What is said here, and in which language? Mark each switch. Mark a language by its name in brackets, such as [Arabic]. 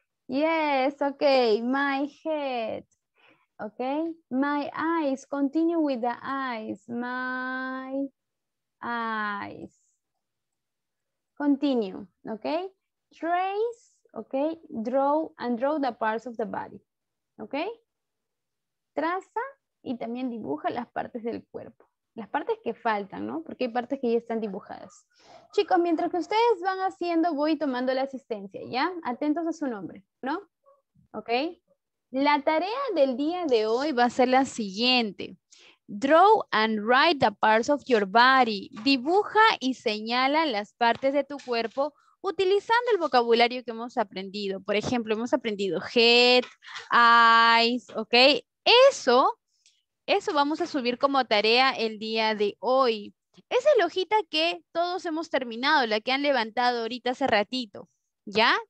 [English] Yes, okay, my head, okay, my eyes, continue with the eyes, my eyes, continue, okay, trace, okay, draw and draw the parts of the body, okay, [Spanish] traza y también dibuja las partes del cuerpo, las partes que faltan, ¿no? Porque hay partes que ya están dibujadas. Chicos, mientras que ustedes van haciendo, voy tomando la asistencia, ¿ya? Atentos a su nombre, ¿no? ¿Ok? La tarea del día de hoy va a ser la siguiente. [English] Draw and write the parts of your body. [Spanish] Dibuja y señala las partes de tu cuerpo utilizando el vocabulario que hemos aprendido. Por ejemplo, hemos aprendido head, eyes, ¿ok? Eso vamos a subir como tarea el día de hoy. Esa es la hojita que todos hemos terminado, la que han levantado ahorita hace ratito, ¿ya?